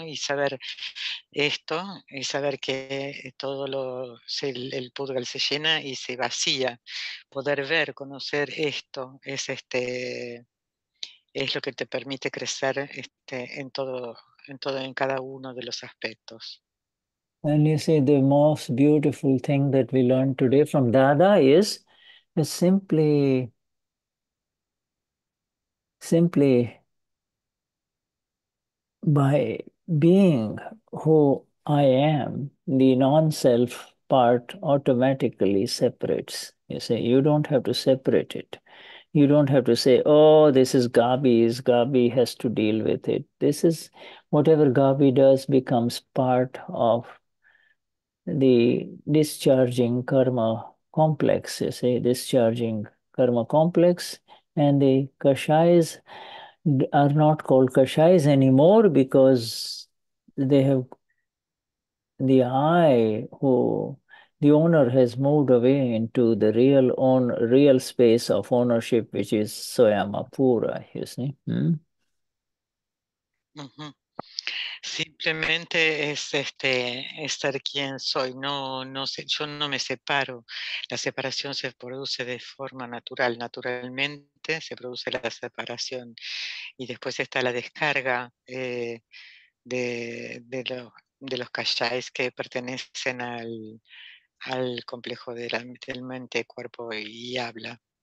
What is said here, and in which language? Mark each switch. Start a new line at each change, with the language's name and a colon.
Spanish: Y saber esto, y saber que todo el Pudgal se llena y se vacía. Poder ver, conocer esto, es lo que te permite crecer en cada uno de los aspectos.
English: And you see, the most beautiful thing that we learned today from Dada is simply by being who I am, the non-self part automatically separates. You say, you don't have to separate it. You don't have to say, oh, this is Gabi's. Gabi has to deal with it. This is whatever Gabi does becomes part of the discharging karma complex. You say, discharging karma complex. And the kashais are not called kashais anymore because they have the I, who the owner has moved away into the real space of ownership, which is Soyamapura, you see.
Spanish: Simplemente es ser quien soy, yo no me separo, la separación se produce de forma natural, naturalmente se produce la separación y después está la descarga de los kayais que pertenecen al complejo de la mente, cuerpo y habla.